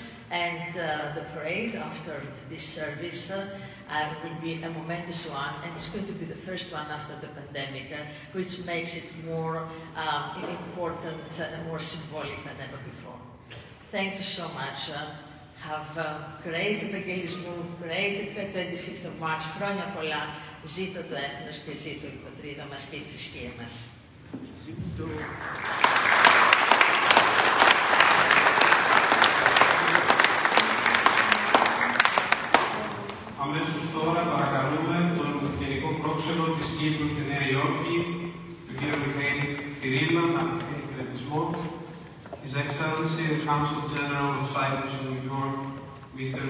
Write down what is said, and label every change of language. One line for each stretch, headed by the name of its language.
English: And the parade after this service will be a momentous one, and it's going to be the first one after the pandemic, which makes it more important and more symbolic than ever before. Thank you so much. Have a great Ευαγγελισμό, great 25th of March,
Greek: χρόνια πολλά. Ζήτω το έθνος και ζήτω η πατρίδα μας και η θρησκεία μας. Ζήτω. Αμέσως τώρα παρακαλούμε τον Ευγενικό Πρόξενο της Κύπρου στη Νέα Υόρκη, τον κύριο Μιχαήλ Κυρίλλα, να πει χαιρετισμό.
English: His Excellency, the Consul General of Cyprus in New York, Mr.